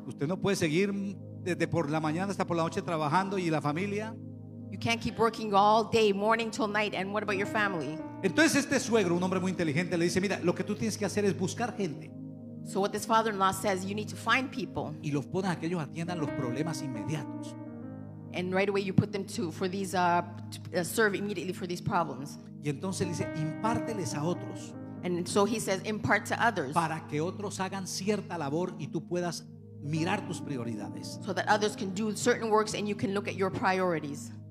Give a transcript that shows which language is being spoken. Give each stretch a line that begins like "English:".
Spanish: Usted no puede seguir desde por la mañana hasta por la noche trabajando y la familia.
English: You can't keep working all day, morning till night. And what about your family?
Spanish: Entonces este suegro, un hombre muy inteligente, le dice, mira, lo que tú tienes que hacer es buscar gente.
English: So what this father-in-law says, you need to find people.
Spanish: Y los pones a que ellos atiendan los problemas inmediatos.
English: And right away you put them to for these serve immediately for these problems.
Spanish: Y entonces le dice, impárteles a otros.
English: And so he says, impart to others.
Spanish: Para que otros hagan cierta labor y tú puedas mirar tus prioridades.
English: So that others can do certain works and you can look at your priorities.